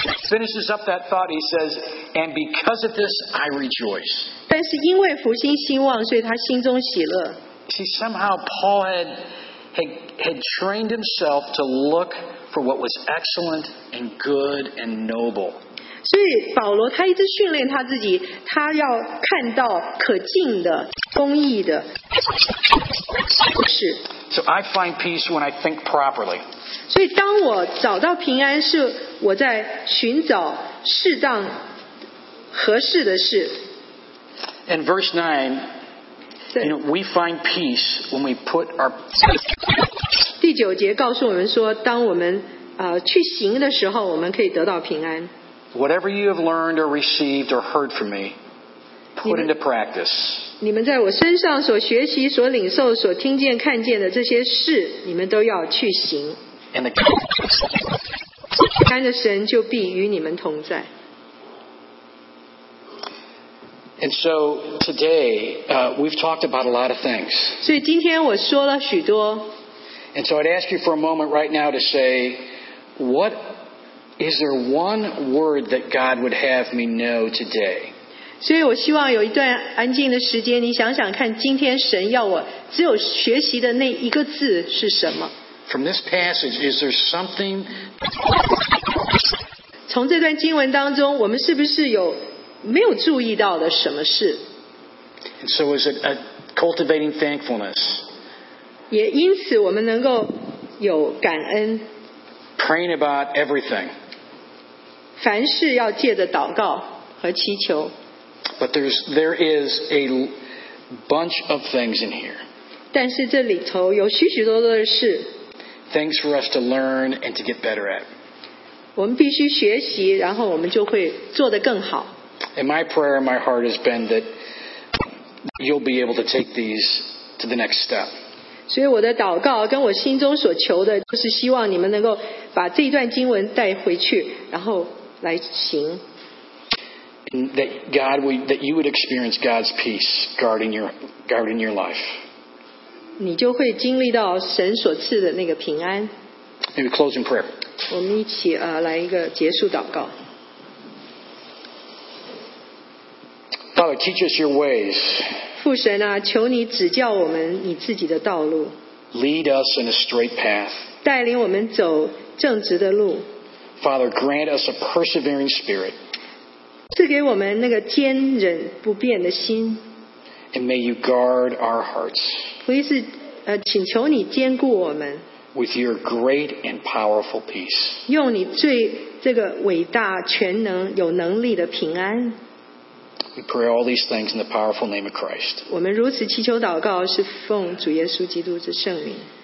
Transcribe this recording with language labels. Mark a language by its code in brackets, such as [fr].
[en] Finishes up that thought, he says, and because of this, I rejoice. [zh] 但是因为福音兴旺，所以他心中喜乐。 [en] See, somehow Paul had trained himself to look for what was excellent and good and noble. [zh] 所以保罗他一直训练他自己，他要看到可敬的、公义的。是。 [en] So I find peace when I think properly. [zh] 所以当我找到平安，是我在寻找适当、合适的事。 [en] In verse 9. And we find peace when we put our. [zh] 第九节告诉我们说，当我们去行的时候，我们可以得到平安。 [en] Whatever you have learned or received or heard from me, put into practice. [zh] 你们在我身上所学习、所领受、所听见、看见的这些事，你们都要去行。 [en] And the kind of [zh] 神就必与你们同在。 [en] And so today, we've talked about a lot of things. [zh] 所以今天我说了许多。 [en] And so I'd ask you for a moment right now to say, what is there one word that God would have me know today? [zh] 所以我希望有一段安静的时间，你想想看，今天神要我只有学习的那一个字是什么？ [en] From this passage, is there something? [zh] 从这段经文当中，我们是不是有？没有注意到的什么事。 [en] And so is it a cultivating thankfulness? [zh] 也因此我们能够有感恩。 [en] Praying about everything. [zh] 凡事要借着祷告和祈求。 [en] But there is a bunch of things in here. [zh] 但是这里头有许许多多的事。 [en] Things for us to learn and to get better at. [zh] 我们必须学习，然后我们就会做得更好。 [en] And my prayer in my heart has been that you'll be able to take these to the next step. [zh] 所以我的祷告跟我心中所求的就是希望你们能够把这一段经文带回去，然后来行。 [en] And that God would, that you would experience God's peace guarding your life. [zh] 你就会经历到神所赐的那个平安。 [en] Maybe closing prayer. [zh] 我们一起来一个结束祷告。 [en] Father, teach us your ways. [zh] 父神啊，求你指教我们你自己的道路。 [en] Lead us in a straight path. [zh] 带领我们走正直的路。 [en] Father, grant us a persevering spirit. [zh] 赐给我们那个坚忍不变的心。 [en] And may you guard our hearts. [zh] 请求你坚固我们。 [en] With your great and powerful peace. [zh] 用你最这个伟大、全能、有能力的平安。 [en] We pray all these things in the powerful name of Christ. [zh] 我们如此祈求祷告，是奉主耶稣基督之圣名。